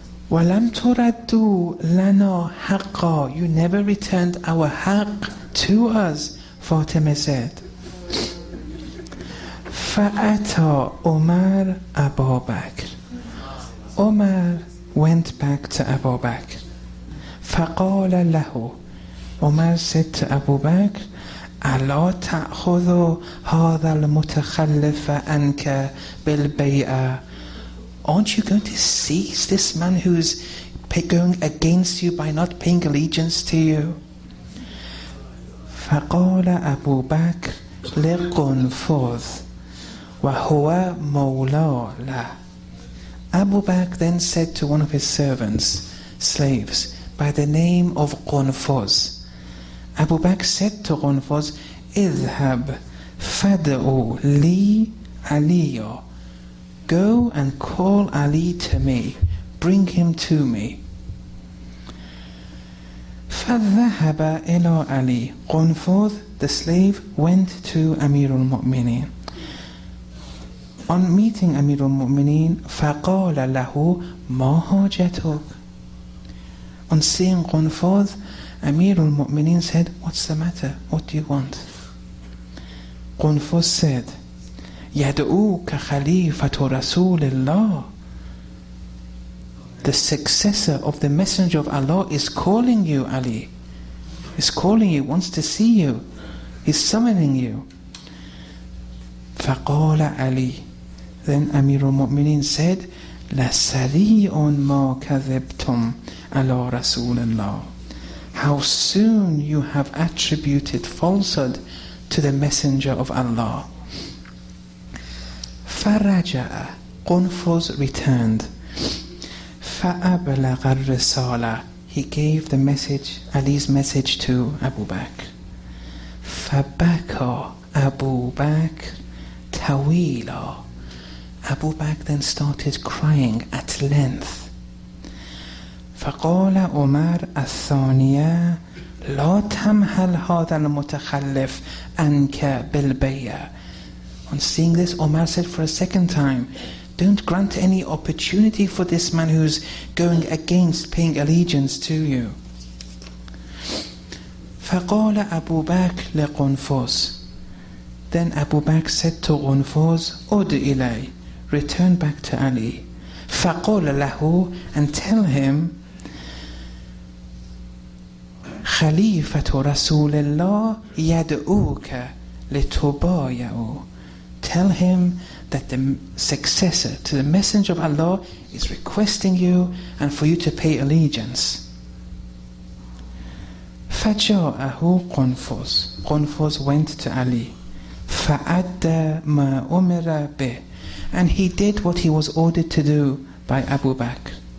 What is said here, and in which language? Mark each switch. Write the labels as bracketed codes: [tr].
[ar] وَلَمْ تُرَدُّوا لَنَا حَقًا. [en] You never returned our haq to us, Fatima said. [ar] فَأَتَى عُمَرْ أَبَا بَكْرِ. [en] Umar went back to Abu Bakr. [ar] فَقَالَ لَهُ. [en] Umar said to Abu Bakr, [ar] أَلَا تَأْخُذُ هَذَا الْمُتَخَلِّفَ أَنْكَ بِالْبَيْئَةِ. [en] Aren't you going to seize this man who's going against you by not paying allegiance to you? [ar] فَقَالَ أَبُو بَكْرِ لِقُنْفُذْ. وَهُوَ مَوْلَى لَهُ. [en] Abu Bakr then said to one of his servants, slaves, by the name of Qunfuz. Abu Bakr said to Qunfuz, [ar] اِذْهَبْ فَدْعُوا لِي عَلِيَا. [en] Go and call Ali to me. Bring him to me. [ar] فَذَهَبَ إِلَى عَلِي. [en] Qunfuz, the slave, went to Amir al-Mu'mineen. On meeting Amir al-Mu'mineen, [ar] فَقَالَ لَهُ مَا هَجَتُكَ. [en] On seeing Qunfuz, Amir al-Mu'mineen said, what's the matter? What do you want? Qunfuz said, [ar] يَدْعُوكَ خَلِيفَةُ رَسُولِ اللَّهِ. [en] The successor of the Messenger of Allah is calling you, Ali. He's calling you, wants to see you. He's summoning you. فَقَالَ Ali. Then Amir al-Mu'mineen said, [ar] لَسَرِيْءٌ مَا كَذِبْتُمْ عَلَىٰ رَسُولِ اللَّهِ. [en] How soon you have attributed falsehood to the Messenger of Allah. [ar] فَرَجَعَ. [en] Qunfuz returned. [ar] فَأَبْلَغَ الرِّسَالَ. [en] He gave the message, Ali's message, to Abu Bakr. [ar] فَبَكَ Abu Bakr تَوِيلًا. [en] Abu Bakr then started crying at length. [ar] فَقَالَ عُمَرْ الثَّانِيَ لَا تَمْهَلْ هَذَا الْمُتَخَلِّفْ أَنْكَ بِالْبَيَّةِ. [en] On seeing this, Umar said for a second time, don't grant any opportunity for this man who's going against paying allegiance to you. [ar] فَقَالَ أَبُو بَكْر لِقُنْفُز. [en] Then Abu Bakr said to Qunfuz, [ar] أُدْ إِلَيْ. [en] Return back to Ali. [ar] فقال له, [en] and tell him, [ar] خليفة رسول الله يدعوك لتبايعه. [en] Tell him that the successor to the Messenger of Allah is requesting you and for you to pay allegiance. [ar] فجاءه قنفوز. [en] قنفوز went to Ali. [ar] فأدى ما أمر به. [en] And he did what he was ordered to do by Abu Bakr.